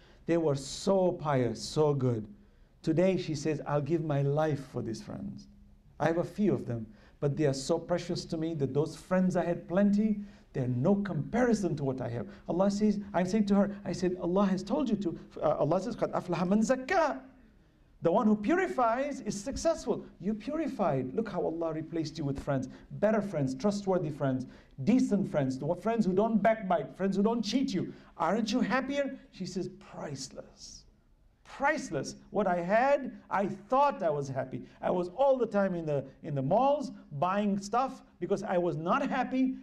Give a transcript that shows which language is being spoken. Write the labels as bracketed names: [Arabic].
[English] They were so pious, so good. Today she says, I'll give my life for these friends. I have a few of them, but they are so precious to me that those friends I had plenty, they're no comparison to what I have. Allah says, I'm saying to her, I said, Allah has told you to. Allah says, [Arabic] قَدْ أَفْلَحَ مَنْ زَكَّى. [English] The one who purifies is successful. You purified. Look how Allah replaced you with friends. Better friends, trustworthy friends, decent friends, friends who don't backbite, friends who don't cheat you. Aren't you happier? She says, priceless. Priceless. What I had, I thought I was happy. I was all the time in the malls buying stuff because I was not happy.